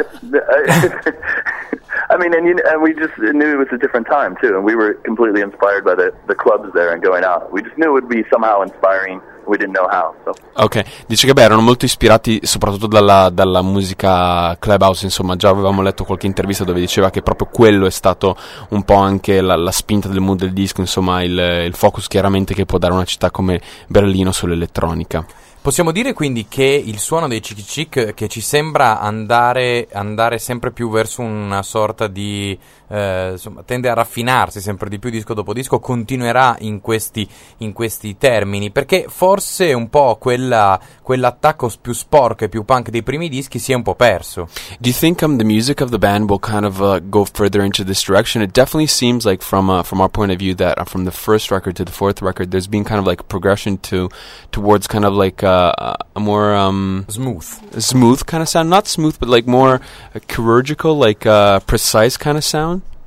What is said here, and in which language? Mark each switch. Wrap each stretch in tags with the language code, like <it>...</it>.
<en>I mean, and we just knew it was a different time too, and we were completely inspired by the clubs there and going out. We just knew it would be somehow inspiring. We didn't know how. So.</en> <it>Okay, dice che beh, erano molto ispirati soprattutto dalla musica clubhouse. Insomma, già avevamo letto qualche intervista dove diceva che proprio quello è stato un po' anche la spinta del mood del disco. Insomma, il focus chiaramente che può dare una città come Berlino sull'elettronica. Possiamo dire quindi che il suono dei Chic Chic, che ci sembra andare sempre più verso una sorta di, insomma, tende a raffinarsi sempre di più disco dopo disco, continuerà in questi termini, perché forse un po' quell'attacco più sporco e più punk dei primi dischi si è un po' perso.</it> <en>Do you think the music of the band will kind of go further into this direction? It definitely seems like from our point of view that from the first record to the fourth record there's been kind of like progression towards kind of like a more smooth kind of sound, not smooth but like more chirurgical, like precise kind of sound.</en>